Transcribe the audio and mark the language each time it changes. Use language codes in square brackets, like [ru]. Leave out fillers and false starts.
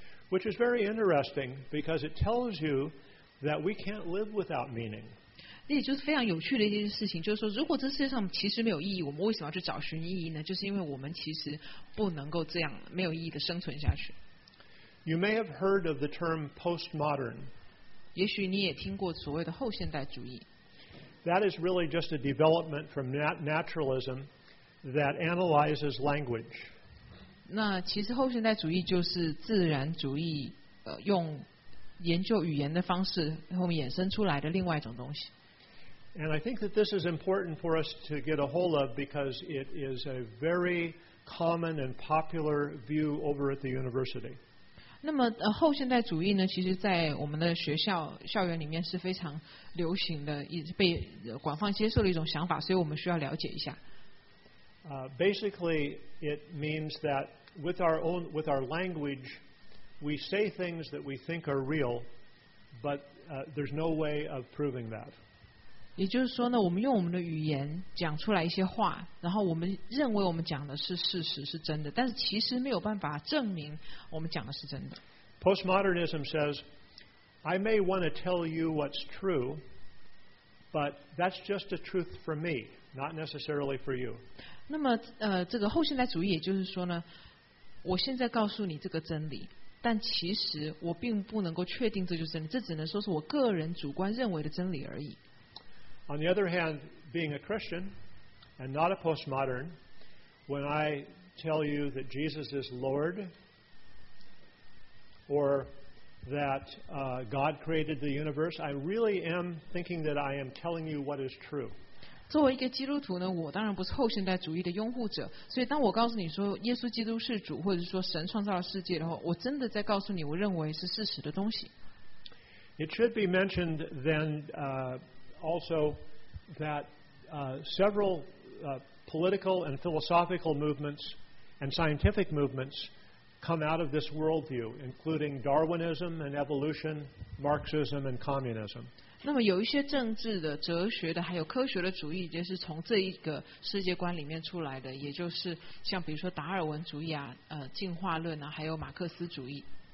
[en] Which is very interesting because it tells you that we can't live without meaning. [zh] 这也就是非常有趣的一件事情，就是说，如果这世界上其实没有意义，我们为什么要去找寻意义呢？就是因为我们其实不能够这样没有意义的生存下去。 [en] You may have heard of the term postmodern. [zh] 也许你也听过所谓的后现代主义。 [en] That is really just a development from naturalism that analyzes language. [zh] 那其实后现代主义就是自然主义用研究语言的方式后面衍生出来的另外一种东西。 [en] And I think that this is important for us to get a hold of because it is a very common and popular view over at the university. [zh] 那么后现代主义呢，其实在我们的学校校园里面是非常流行的，被广泛接受的一种想法，所以我们需要了解一下。 [en] Basically, it means that with our language, we say things that we think are real, but there's no way of proving that. [zh] 也就是说呢，我们用我们的语言讲出来一些话，然后我们认为我们讲的是事实是真的，但是其实没有办法证明我们讲的是真的。 [en] Postmodernism says, I may want to tell you what's true, but that's just a truth for me, not necessarily for you. [zh] 那么这个后现代主义也就是说呢，我现在告诉你这个真理，但其实我并不能够确定这就是真理，这只能说是我个人主观认为的真理而已。 [en] On the other hand, being a Christian and not a postmodern, when I tell you that Jesus is Lord or that God created the universe, I really am thinking that I am telling you what is true. [zh] 作为一个基督徒呢，我当然不是后现代主义的拥护者，所以当我告诉你说耶稣基督是主，或者说神创造了世界的话，我真的在告诉你我认为是事实的东西。 [en] It should be mentioned then also that several political and philosophical movements and scientific movements come out of this worldview, including Darwinism and evolution, Marxism and communism. [zh] 那么有一些政治的、哲学的，还有科学的主义，也是从这一个世界观里面出来的，也就是像比如说达尔文主义啊、进化论啊，还有马克思主义、